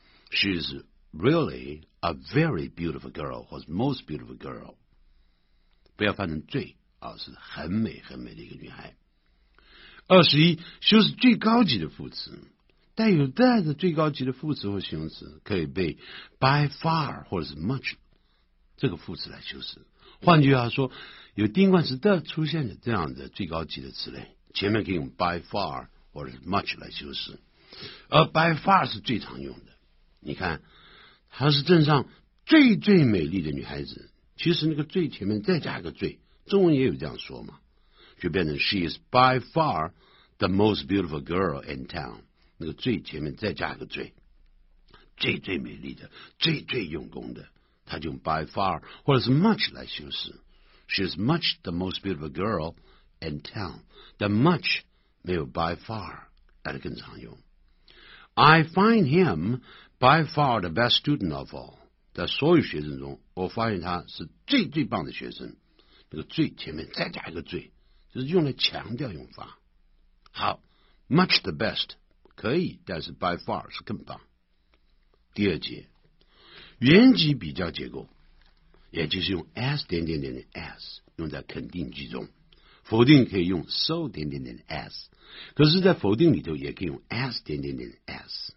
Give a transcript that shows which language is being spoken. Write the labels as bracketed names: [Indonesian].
[English] She's really a very beautiful girl， [Chinese] 或是 [English] most beautiful girl。 [Chinese] 不要犯成罪啊，是很美很美的一个女孩。 21，修是最高级的副词，带有带着最高级的副词或形容词，可以被 by far 或者是 much 这个副词来修饰。换句话说，有定冠词的出现的这样的最高级的词类，前面可以用 by far 或者是 much 来修饰，而 by far 是最常用的。你看，她是镇上最最美丽的女孩子，其实那个最前面再加一个最，中文也有这样说嘛，就变成 [English] she is by far the most beautiful girl in town。 [Chinese] 那个最前面再加一个最，最最美丽的，最最用功的，他就用 by far 或者是 much 来修饰。 [English] She is much the most beautiful girl in town. The much [Chinese] 没有 [English] by far [Chinese] 来得更常用。 [English] I find him by far the best student of all. [Chinese] 在所有学生中，我发现他是最最棒的学生。那个最前面再加一个最，就是用来强调用法。好 ， [English] much the best。 [Chinese] 可以，但是 by far 是更棒。第二节，原级比较结构，也就是用 as 点点点的 as 用在肯定句中，否定可以用 so 点点点的 as， 可是在否定里头也可以用 as 点点点的 as。